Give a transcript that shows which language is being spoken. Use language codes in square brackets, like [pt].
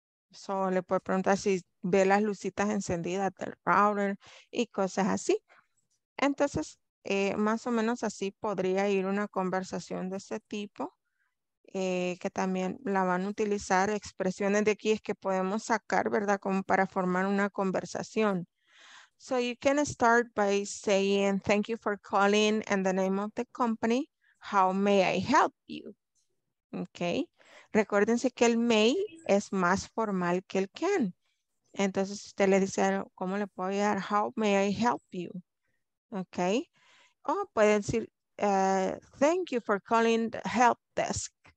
[es] So le puede preguntar si ve las lucitas encendidas del router y cosas así. Entonces, más o menos así podría ir una conversación de este tipo, que también la van a utilizar expresiones de aquí, es que podemos sacar, ¿verdad? Como para formar una conversación. [en] So you can start by saying, thank you for calling and the name of the company. How may I help you? Okay. [es] Recuérdense que el may es más formal que el can. Entonces usted le dice, ¿cómo le puedo ayudar? [en] How may I help you? Okay. [es] O puede decir, [en] thank you for calling the help desk.